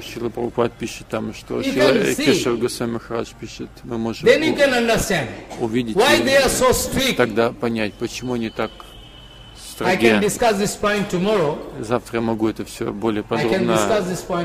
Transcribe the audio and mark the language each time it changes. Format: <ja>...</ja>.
<ru>Шрила Прабхупада пишет там, что Кешава Госвами Махарадж пишет. Мы можем.</ru> <en>Then you can understand why they are so strict.</en> <ru>Тогда понять, почему они так.</ru> <en>I can discuss this point tomorrow.</en> <ru>Завтра я могу это все более подробно рассказать.</ru>